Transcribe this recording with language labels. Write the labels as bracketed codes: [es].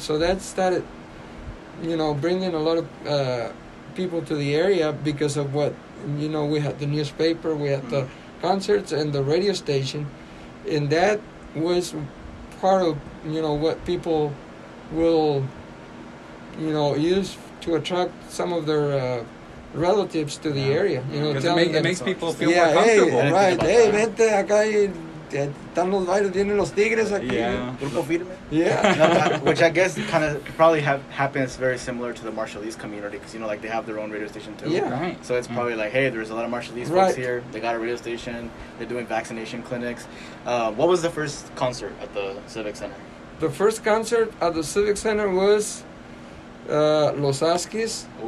[en] So that started, you know, bringing a lot of people to the area because of what, you know, we had the newspaper, we had the concerts and the radio station. And that was part of, you know, what people will, you know, use to attract some of their relatives to the area, you know, it makes people feel more comfortable. [es] Hey, right, hey, vente acá y estamos varios, vienen los tigres aquí. Grupo firme. [en] Yeah. Which I guess kind of probably happens very similar to the Marshallese community, because, you know, like they have their own radio station too. Yeah. Right. So it's probably like, hey, there's a lot of Marshallese folks here. They got a radio station. They're doing vaccination clinics. What was the first concert at the Civic Center? The first concert at the Civic Center was Los Askies.